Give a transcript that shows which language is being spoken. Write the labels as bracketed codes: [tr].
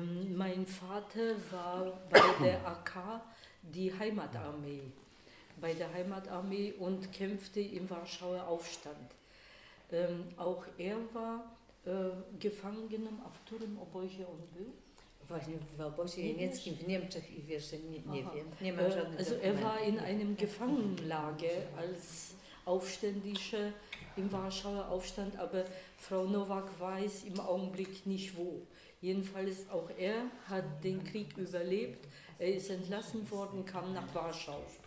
[de] Mein Vater war bei der AK, die Heimatarmee, bei der Heimatarmee und kämpfte im Warschauer Aufstand. Auch er war gefangen genommen auf [pl] którym obozie on był? Właśnie w obozie niemieckim w Niemczech i wiesz, że nie wiem, nie mam żadnych dokumentów. [de] Also er war in einem Gefangenlager als Aufständische im Warschauer Aufstand, aber Frau Nowak weiß im Augenblick nicht wo. Jedenfalls auch er hat den Krieg überlebt, er ist entlassen worden, kam nach Warschau.